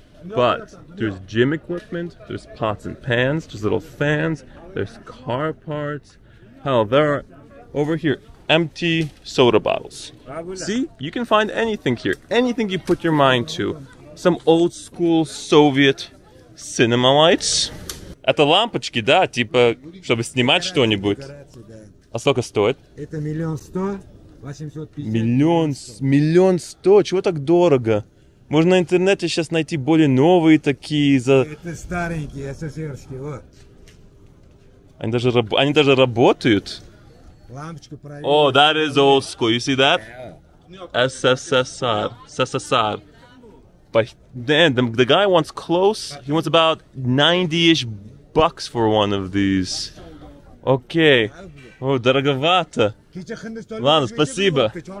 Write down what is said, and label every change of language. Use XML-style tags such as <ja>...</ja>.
<en>But there's gym equipment, there's pots and pans, there's little fans, there's car parts. Hell, there are over here empty soda bottles. See, you can find anything here, anything you put your mind to. Some old school Soviet cinema lights.</en> <ru>Это лампочки, да, типа, чтобы снимать что-нибудь. А сколько стоит? Это 1 100 850. Миллион сто? Чего так дорого? Можно на интернете сейчас найти более новые такие за... Это старенькие, СССРские, вот. Они даже работают? Лампочку проверили.</ru> <en>О, that is old school, you see that? СССР. But then the guy wants close. He wants about 90-ish bucks for one of these. Okay. Oh,</en> <ru>дороговато. Ладно, спасибо.</ru>